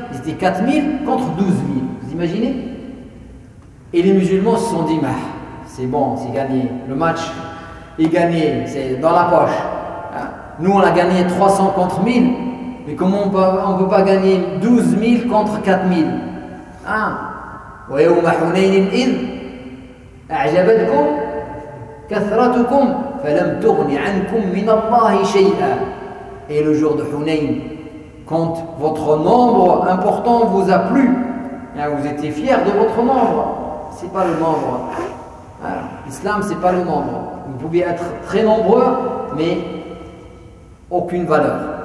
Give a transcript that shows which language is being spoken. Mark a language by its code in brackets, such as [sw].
[fr] Ils étaient 4000 contre 12000. Vous imaginez? Et les musulmans se sont dit, bah, c'est bon, c'est gagné. Le match est gagné, c'est dans la poche. Hein? Nous, on a gagné 300 contre 1000. Mais comment on peut pas gagner 12000 contre 4000? [ar] Ah, ويوم حنين إذ أعجبتكم كثرتكم فلم تغن عنكم من الله شيئا. [fr] Et le jour de Hunayn, quand votre nombre important vous a plu, vous étiez fiers de votre nombre. C'est pas le nombre. L'islam, c'est pas le nombre. Vous pouvez être très nombreux, mais aucune valeur.